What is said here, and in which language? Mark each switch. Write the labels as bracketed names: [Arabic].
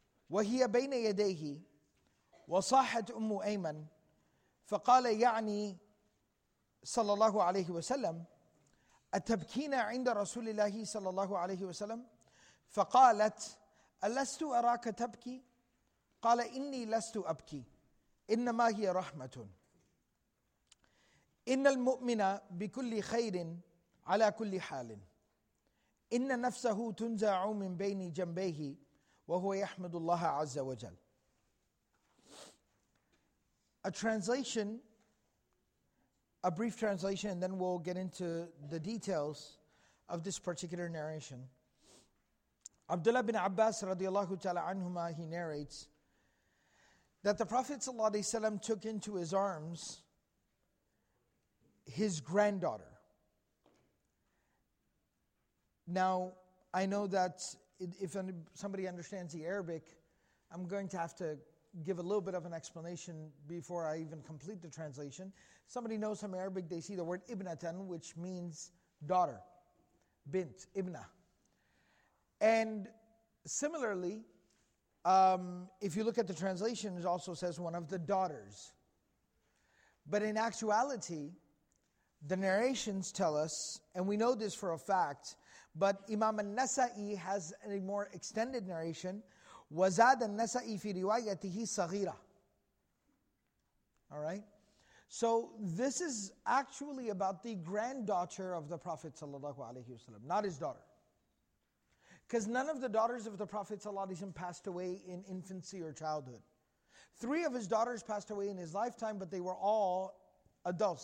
[Arabic] وهي بين يديه وصاحت أم أيمن فقال يعني صلى الله عليه وسلم أتبكين عند رسول الله صلى الله عليه وسلم؟ فقالت ألست أراك تبكي؟ قال إني لست أبكي إنما هي رحمة إن المؤمن بكل خير على كل حال إن نفسه تنزع من بين جنبيه وهو يحمد الله عز وجل. [English] A translation, a brief translation, and then we'll get into the details of this particular narration. Abdullah bin Abbas radiallahu ta'ala anhuma, he narrates that the Prophet sallallahu alayhi wa sallam took into his arms his granddaughter. Now, I know that if somebody understands the Arabic, I'm going to have to give a little bit of an explanation before I even complete the translation. Somebody knows some Arabic, they see the word ibnatan, which means daughter, bint, ibna. And Similarly, if you look at the translation, it also says one of the daughters. But in actuality, the narrations tell us, and we know this for a fact, but Imam al-Nasa'i has a more extended narration. [Arabic] وزاد النسائي في روايته صغيرة. [English] All right? So this is actually about the granddaughter of the Prophet ﷺ, not his daughter. Because none of the daughters of the Prophet ﷺ passed away in infancy or childhood. Three of his daughters passed away in his lifetime, but they were all adults.